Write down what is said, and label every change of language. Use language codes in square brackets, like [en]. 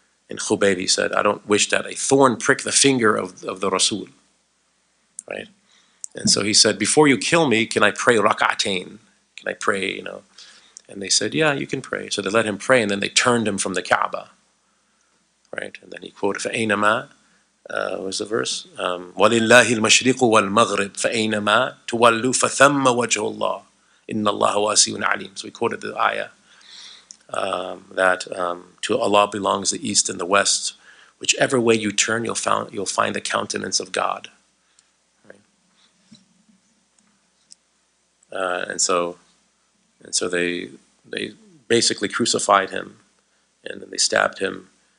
[en] And Khubayb said, I don't wish that a thorn prick the finger of the Rasul. Right? And so he said, before you kill me, can I pray raka'atain? Can I pray, you know? And they said, yeah, you can pray. So they let him pray, and then they turned him from the Kaaba. Right? And then he quoted, fa'aynama, was the verse? [ar] وَلِلَّهِ الْمَشْرِقُ وَالْمَغْرِبُ فَأَيْنَمَا تُوَلُّ فَثَمَّ وَجْهُ اللَّهِ إِنَّ اللَّهَ وَاسِعٌ عَلِيمٌ. [en] So he quoted the ayah. That to Allah belongs the east and the west. Whichever way you turn, you'll find the countenance of God. And so they basically crucified him, and then they stabbed him.